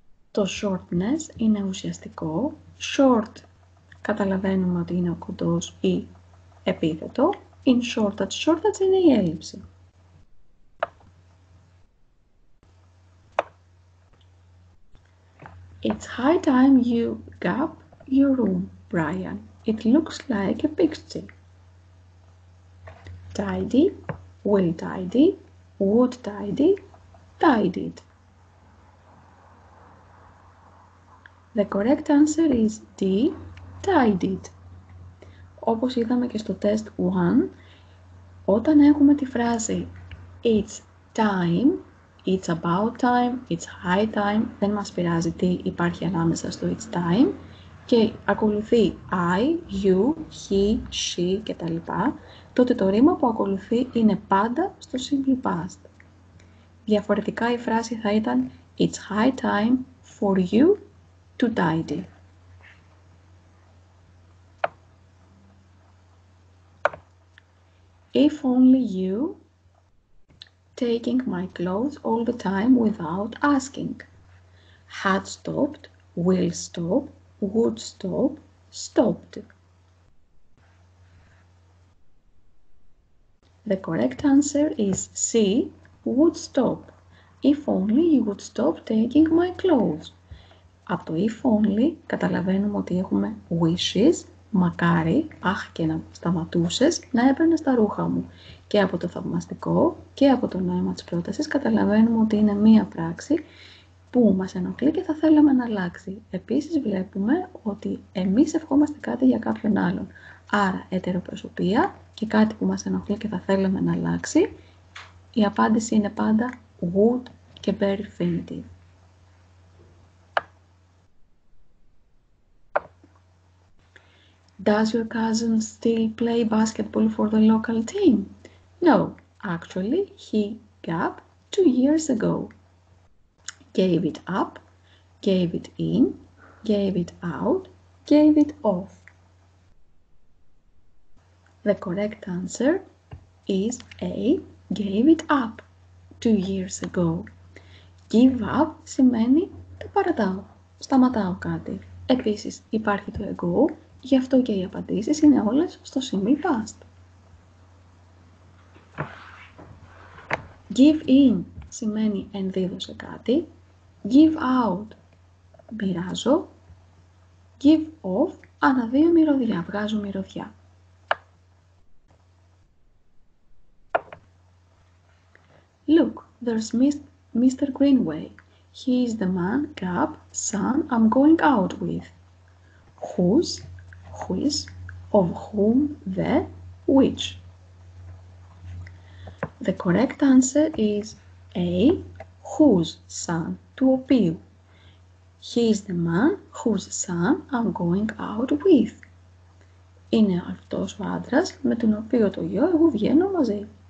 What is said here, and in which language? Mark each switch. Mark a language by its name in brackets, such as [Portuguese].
[Greek] Το shortness είναι ουσιαστικό. Short, καταλαβαίνουμε ότι είναι ο κοντός ή επίθετο. In shortage, shortage είναι η έλλειψη. [English] It's high time you gap your room, Brian. It looks like a pixie. Tidy, will tidy, would tidy, tidied. The correct answer is D, tidied. [Greek] Όπως είδαμε και στο test 1, όταν έχουμε τη φράση [English] It's time, it's about time, it's high time, [Greek] δεν μας πειράζει τι υπάρχει ανάμεσα στο [English] it's time [Greek] και ακολουθεί I, you, he, she κτλ. Τότε το ρήμα που ακολουθεί είναι πάντα στο simple past. Διαφορετικά η φράση θα ήταν [English] It's high time for you to tidy. If only you taking my clothes all the time without asking. Had stopped, will stop, would stop, stopped. The correct answer is C, would stop. If only you would stop taking my clothes. [Greek] Από το [English] if only [Greek] καταλαβαίνουμε ότι έχουμε wishes. Μακάρι, αχ και να σταματούσες, να έπαιρνες τα ρούχα μου. Και από το θαυμαστικό και από το νόημα της πρότασης καταλαβαίνουμε ότι είναι μία πράξη που μας ενοχλεί και θα θέλαμε να αλλάξει. Επίσης βλέπουμε ότι εμείς ευχόμαστε κάτι για κάποιον άλλον. Άρα, ετεροπροσωπεία και κάτι που μας ενοχλεί και θα θέλαμε να αλλάξει, η απάντηση είναι πάντα would και bare infinitive. [English] Does your cousin still play basketball for the local team? No, actually, he gap 2 years ago. Gave it up, gave it in, gave it out, gave it off. The correct answer is A, gave it up 2 years ago. Give up [Greek] σημαίνει το παρατάω, σταματάω κάτι. Επίσης, υπάρχει το ago. Γι' αυτό και οι απαντήσεις είναι όλες στο simple past. [English] Give in [Greek] σημαίνει ενδίδωσε κάτι. [English] Give out, [Greek] μοιράζω. [English] Give off, [Greek] αναδύω μυρωδιά, βγάζω μυρωδιά. [English] Look, there's Mr. Greenway. He is the man, gap, son I'm going out with. Who's? Quiz, of whom, the, which. The correct answer is A, whose son, [Greek] του οποίου. [English] He is the man whose son I'm going out with. [Greek] Είναι αυτός ο άντρας με τον οποίο το γιο εγώ βγαίνω μαζί.